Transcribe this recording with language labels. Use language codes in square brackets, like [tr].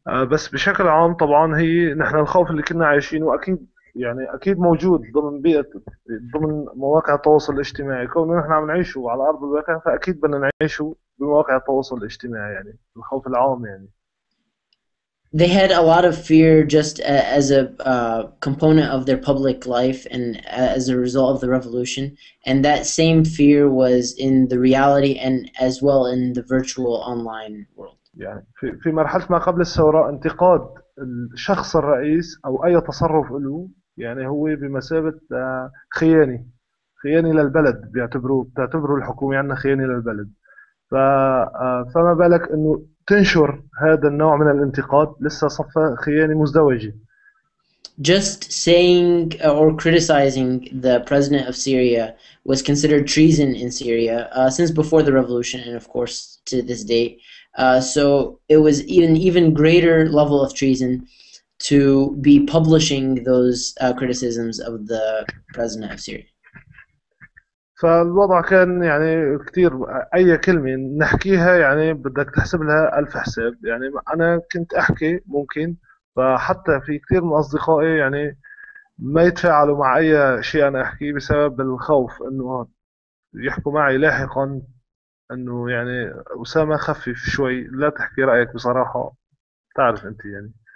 [ar] بس بشكل عام طبعا هي نحن الخوف اللي كنا عايشينه اكيد يعني اكيد موجود ضمن بيئه ضمن مواقع التواصل الاجتماعي، كونه نحن عم نعيشه على ارض الواقع فاكيد بدنا نعيشه بمواقع التواصل الاجتماعي، يعني الخوف العام يعني. [en] They had a lot of fear just as a component of their public life and as a result of the revolution. And that same fear was in the reality and as well in the virtual online world. [ar] يعني في مرحلة ما قبل الثورة انتقاد الشخص الرئيس أو أي تصرف له يعني هو بمثابة خيانة للبلد، بتعتبره الحكومة عندنا خيانة للبلد. فما بالك انه تنشر هذا النوع من الانتقاد لسه صفة خيانة مزدوجة. [en] just saying or criticizing the president of Syria was considered treason in Syria since before the revolution, and of course to this day. So it was even greater level of treason to be publishing those criticisms of the president of Syria. [ar] فالوضع كان يعني كتير أي كلمة نحكيها يعني بدك تحسب لها ألف حساب. يعني أنا كنت أحكي ممكن, فحتى في كتير من أصدقائي يعني ما يتفاعلوا مع أي شيء أنا أحكي بسبب الخوف إنه يحكوا معي لاحقا إنه يعني أسامة خفف شوي, لا تحكي رأيك بصراحة, تعرف أنت يعني.